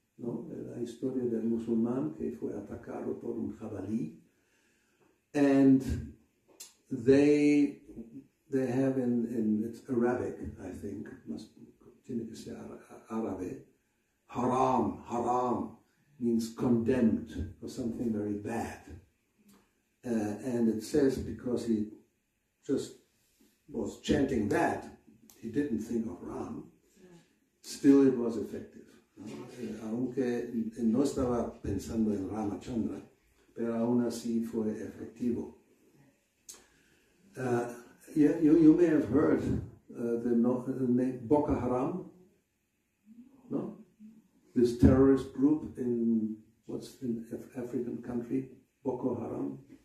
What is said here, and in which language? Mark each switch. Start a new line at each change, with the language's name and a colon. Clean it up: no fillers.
Spanish: No, la historia del musulmán que fue atacado por un jabalí,
English: and they have in it's Arabic, I think, must
Spanish: tiene que ser árabe,
English: haram means condemned for something very bad, and it says because he just was chanting that he didn't think of Ram, still it was effective.
Spanish: Aunque no estaba pensando en Ramachandra, pero aún así fue efectivo.
English: You may have heard the name Boko Haram, no? This terrorist group in what's in African country, Boko Haram.